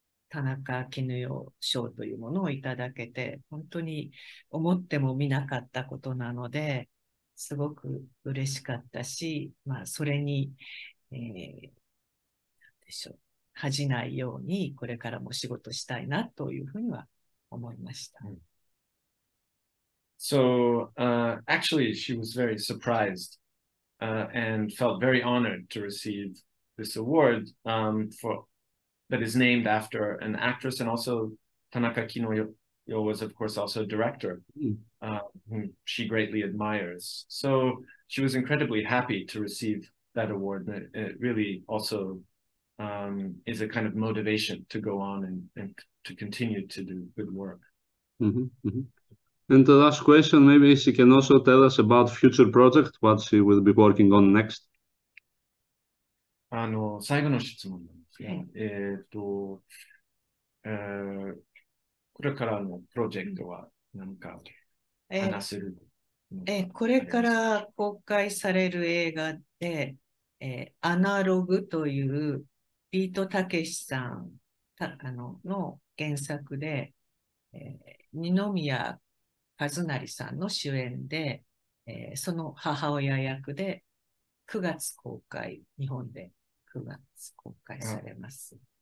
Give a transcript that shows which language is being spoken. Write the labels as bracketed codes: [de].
[ja] 田中絹代賞というものをいただけて、本当に思っても見なかったことなのですごく嬉しかったし、まあ、それに、でしょう、恥じないようにこれからも仕事したいなというふうには思いました。 [en] So, actually, she was very surprised, and felt very honored to receive this award, for, that is named after an actress, and also Tanaka Kinoyo was, of course, also a director, whom she greatly admires. So she was incredibly happy to receive that award. It really also is a kind of motivation to go on and to continue to do good work. And the last question, maybe she can also tell us about future project, what she will be working on next. [ja] 最後の質問なんですが、これからのプロジェクトは何か話せる、これから公開される映画で、アナログというビートたけしさん の原作で、二宮和也さんの主演で、その母親役で9月公開、日本で9月公開されます。